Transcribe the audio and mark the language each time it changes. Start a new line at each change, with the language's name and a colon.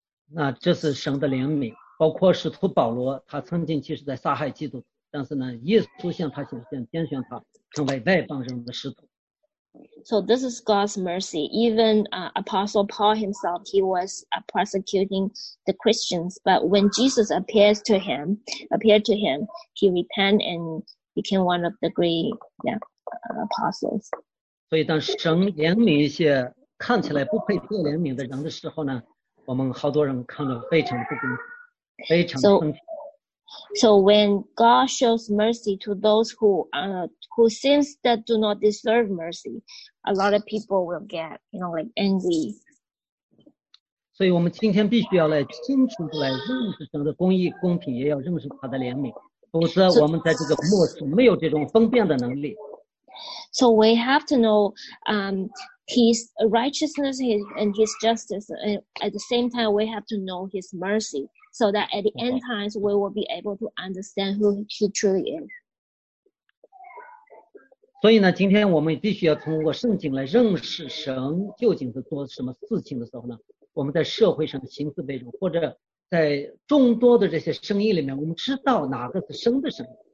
Chinese: 那这是神的怜悯，包括使徒保罗，他曾经其实在杀害基督，但是呢，耶稣向他显现，拣选他成为外邦人的使徒。
English: So this is God's mercy. Even Apostle Paul himself, he was persecuting the Christians. But when Jesus appeared to him, he repented and became one of the great apostles.
Chinese: 所以当神怜悯一些看起来不配得怜悯的人的时候呢，我们好多人看得非常不公，非常生气。
English: So when God shows mercy to those who sins that do not deserve mercy, a lot of people will get, you know, like angry.
Chinese: 所以我们今天必须要来清楚地来认识神的公义、公平，也要认识他的怜悯，否则我们在这个末世没有这种分辨的能力。
English: So we have to know, His righteousness and His justice, and at the same time, we have to know His mercy. So that at the end times, we will be able to understand who he truly is.
Chinese: 所以呢，今天我们必须要通过圣经来认识神究竟是做什么事情的时候呢，我们在社会上的行事背景，或者在众多的这些声音里面，我们知道哪个是神的声音。